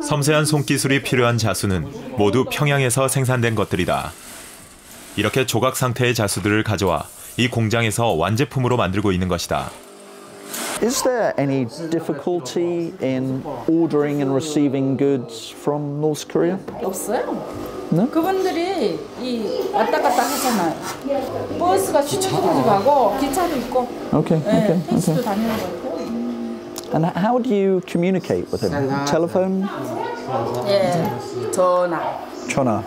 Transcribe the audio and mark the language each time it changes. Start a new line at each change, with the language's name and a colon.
Korean: 섬세한 손기술이 필요한 자수는 모두 평양에서 생산된 것들이다. 이렇게 조각 상태의 자수들을 가져와 이 공장에서 완제품으로 만들고 있는 것이다.
English: Is there any difficulty in ordering and receiving goods from North Korea?
Korean: 없어요. 네? 그분들이 이 왔다 갔다 하잖아요. 버스가 쉬는 곳도 가고 기차도 있고. Okay. 네, 택시도 다니는 것 같아요.
English: And how do you communicate with them? Telephone?
Korean: 예, 전화. 전화.